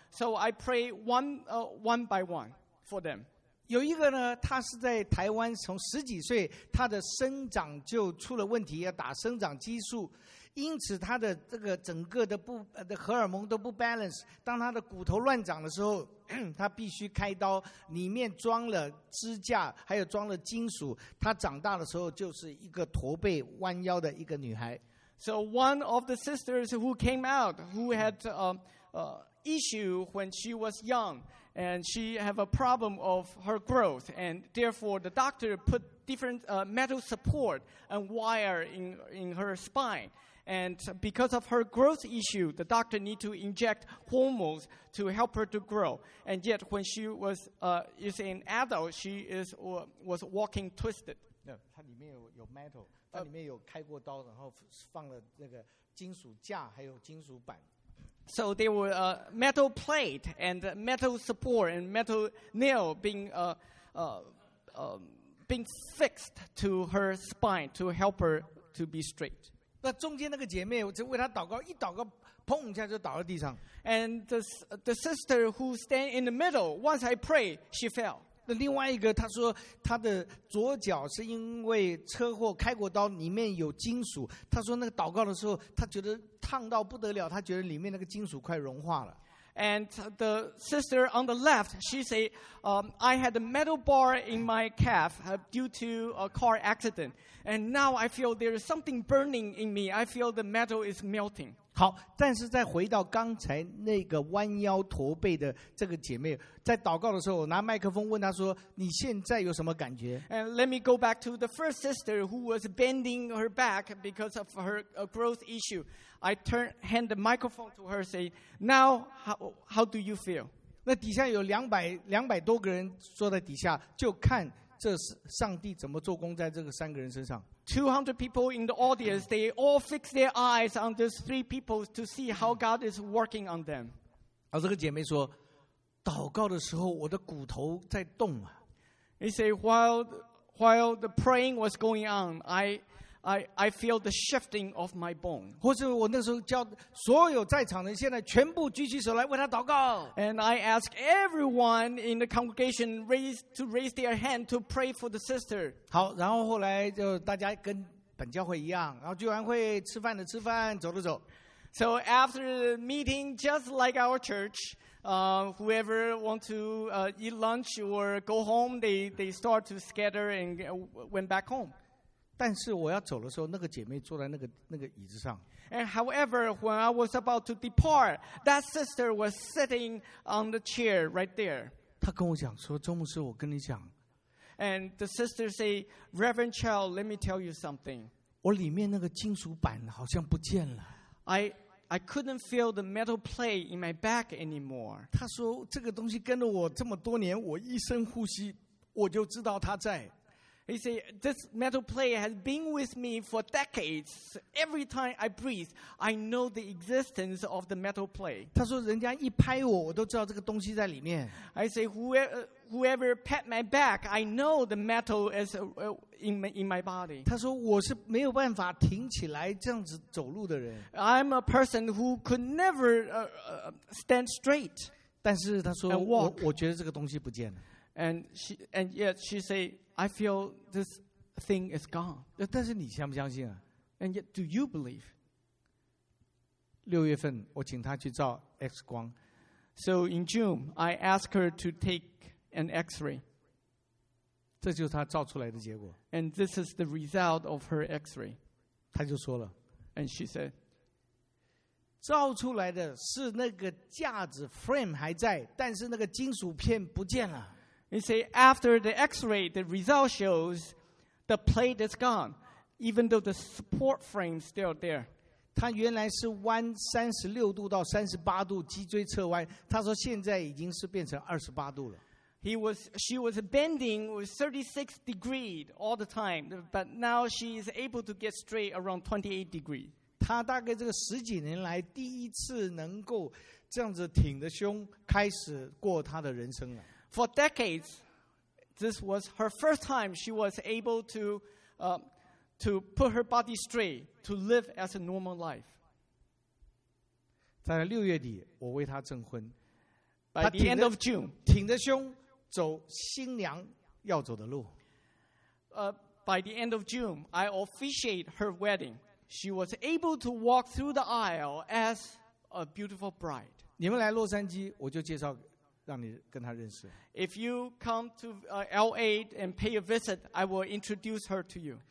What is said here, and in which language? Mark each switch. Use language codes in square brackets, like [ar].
[en] So I pray one by one for them. [zh] 有一个呢，他是在台湾，从十几岁，他的生长就出了问题，要打生长激素。因此他的这个整个的不的荷尔蒙都不 balance， 当他的骨头乱长的时候，他必须开刀，里面装了支架，还有装了金属，他长大的时候就是一个驼背弯腰的一个女孩。 [en] So one of the sisters who came out who had issue when she was young and she have a problem of her growth and therefore the doctor put different metal support and wire in her spine. And because of her growth issue, the doctor need to inject hormones to help her to grow. And yet, when she was is an adult, she is was walking twisted. [zh] Yeah, 它里面有 metal， 它里面有开过刀，然后放了那个金属架，还有金属板。 [en] So there were a metal plate and metal support and metal nail being fixed to her spine to help her to be straight. [zh] 那中间那个姐妹，我就为她祷告，一祷告，砰一下就倒在地上。 [en] And the sister who stand in the middle, once I pray, she fell. [zh] 那另外一个，她说她的左脚是因为车祸开过刀，里面有金属。她说那个祷告的时候，她觉得烫到不得了，她觉得里面那个金属快融化了。 [en] And the sister on the left, she said, I had a metal bar in my calf due to a car accident. And now I feel there is something burning in me. I feel the metal is melting. [zh] 好，但是再回到刚才那个弯腰驼背的这个姐妹，在祷告的时候，我拿麦克风问她说，你现在有什么感觉？ [en] And let me go back to the first sister who was bending her back because of her growth issue. I turn hand the microphone to her, say, "Now, how do you feel?" [zh] 那底下有两百多个人坐在底下，就看这是上帝怎么做工在这个三个人身上。 [en] 200 people in the audience, they all fix their eyes on these three people to see how God is working on them. [zh] 啊，这个姐妹说，祷告的时候我的骨头在动啊。 [en] They say while the praying was going on, I feel the shifting of my bone. [zh] 或是我那时候叫所有在场的现在全部举起手来为他祷告。 [en] And I ask everyone in the congregation to raise their hand to pray for the sister. [zh] 好，然后后来就大家跟本教会一样，然后聚完会吃饭的吃饭，走的走。 [en] So after the meeting, just like our church, whoever want to eat lunch or go home, they start to scatter and went back home. [zh] 但是我要走的时候，那个姐妹坐在那个椅子上。 [en] And however, when I was about to depart, that sister was sitting on the chair right there. [zh] 她跟我讲说：“周牧师，我跟你讲。” [en] And the sister said, "Reverend Chow, let me tell you something." [zh] 我里面那个金属板好像不见了。 [en] I couldn't feel the metal plate in my back anymore. [zh] 她说：“这个东西跟了我这么多年，我一深呼吸，我就知道它在。” [en] He said, "This metal plate has been with me for decades. Every time I breathe, I know the existence of the metal plate." [zh] 他说：“人家一拍我，我都知道这个东西在里面。” [en] I say, "Whoever pat my back, I know the metal is in my body." [zh] 他说：“我是没有办法挺起来这样子走路的人。” [en] I'm a person who could never stand straight. [zh] 但是他说：“我觉得这个东西不见了。” [en] And yet she said. I feel this thing is gone. [zh] 但是你相不相信啊？ [en] And yet, do you believe? [zh] 六月份我请她去照 X 光。 [en] So in June, I asked her to take an X-ray. [zh] 这就是她照出来的结果。 [en] And this is the result of her X-ray. [zh] 她就说了。 [en] And she said, [zh] 照出来的是那个架子 frame 还在，但是那个金属片不见了。 [en] He said, after the x-ray, the result shows the plate is gone, even though the support frame is still there. [zh] 他原来是弯36度到38度脊椎侧弯，他说现在已经是变成28度了。 [en] She was bending with 36 degrees all the time, but now she is able to get straight around 28 degrees. [zh] 他大概这个十几年来第一次能够这样子挺着胸开始过他的人生了。 [en] For decades, This was her first time she was able to put her body straight, to live as a normal life. [zh] 在六月底，我为她证婚。 [en] By the end of June, [zh] 挺着胸走新娘要走的路。 [en] By the end of June, I officiate her wedding. She was able to walk through the aisle as a beautiful bride. [zh] 你们来洛杉矶，我就介绍让你跟她认识。 [en] If you come to LA and pay a visit, I will introduce her to you.